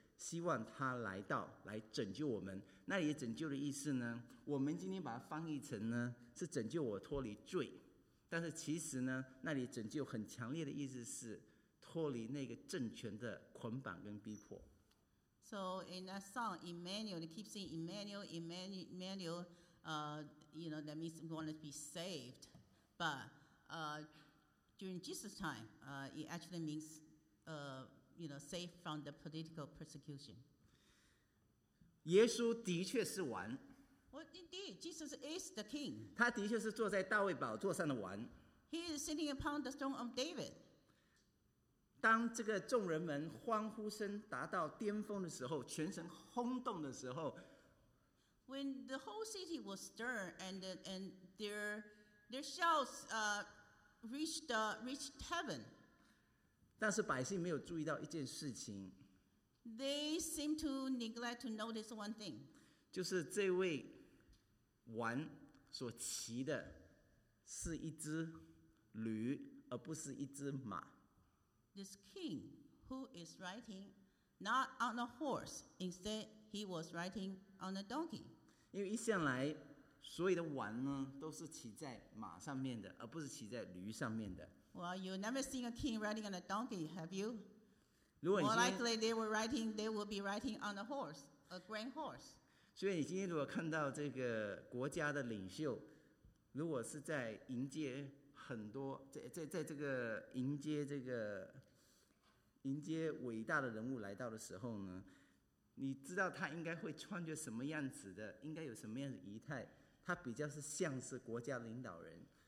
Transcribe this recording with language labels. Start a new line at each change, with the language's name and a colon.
Chinese: 希望他来到来拯救我们。那里拯救的意思呢，我们今天把它翻译成呢是拯救我脱离罪，但是其实呢那里拯救很强烈的意思是脱离那个政权的捆绑跟逼迫。
English: So in that song Emmanuel, they keep saying Emmanuel, Emmanuel, you know, that means we want to be saved. But during Jesus' time, it actually means you know, safe from the political persecution.
Chinese: 耶稣的确是王。
English: Well, indeed, Jesus is the king.
Chinese: 他的确是坐在大卫宝座上的王。
English: He is sitting upon the throne of David.
Chinese: 当这个众人们欢呼声达到巅峰的时候，全城轰动的时候，
English: When the whole city was stirred and their shouts reached heaven.
Chinese: 但是百姓没有注意到一件事情。
English: They seem to neglect to notice one thing.
Chinese: 就是这位王所骑的是一只驴，而不是一只马。
English: This king who is riding not on a horse, instead he was riding on a donkey.
Chinese: 因为一向来所有的王呢都是骑在马上面的，而不是骑在驴上面的。
English: Well, you never seen a king riding on a donkey, have you?
Chinese: 如果你
English: More likely they were riding, they will be riding on a horse, a grand horse.
Chinese: 所以你今天如果看到这个国家的领袖，如果是在迎接很多 在这个迎接这个迎接伟大的人物来到的时候呢，你知道他应该会穿着什么样子的，应该有什么样的仪态，他比较是像是国家领导人。